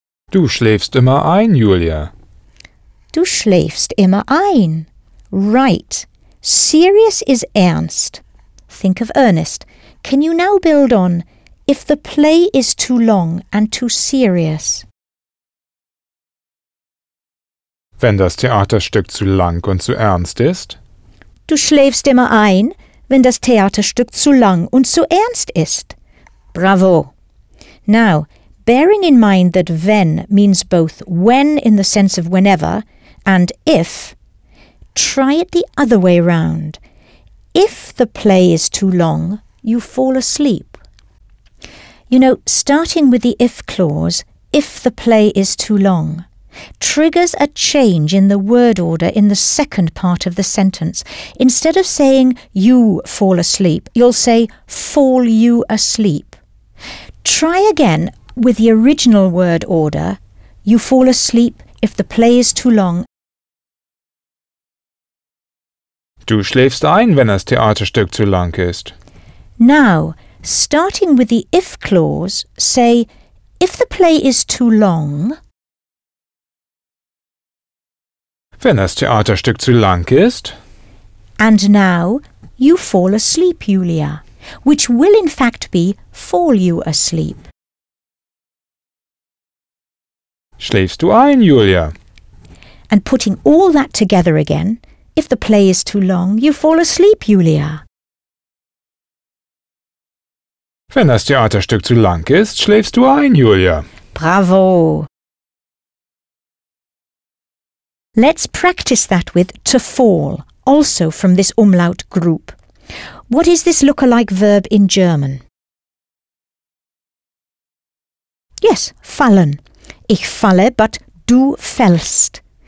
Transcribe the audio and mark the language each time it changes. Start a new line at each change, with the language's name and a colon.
German: Du schläfst immer ein, Julia. Du schläfst immer ein.
English: Right. Serious is ernst. Think of Ernest. Can you now build on if the play is too long and too serious?
German: Wenn das Theaterstück zu lang und zu ernst ist? Du schläfst immer ein, wenn das Theaterstück zu lang und zu ernst ist. Bravo.
English: Now, bearing in mind that wenn means both when in the sense of whenever and if, try it the other way round. If the play is too long, you fall asleep. You know, starting with the if clause, if the play is too long, triggers a change in the word order in the second part of the sentence. Instead of saying you fall asleep, you'll say fall you asleep. Try again with the original word order, you fall asleep if the play is too long.
German: Du schläfst ein, wenn das Theaterstück zu lang ist.
English: Now, starting with the if clause, say, if the play is too long.
German: Wenn das Theaterstück zu lang ist.
English: And now, you fall asleep, Julia, which will in fact be fall you asleep.
German: Schläfst du ein, Julia?
English: And putting all that together again, if the play is too long, you fall asleep, Julia.
German: Wenn das Theaterstück zu lang ist, schläfst du ein, Julia. Bravo!
English: Let's practice that with to fall, also from this umlaut group. What is this look-alike verb in German?
German: Yes, fallen. Ich falle, but du fällst.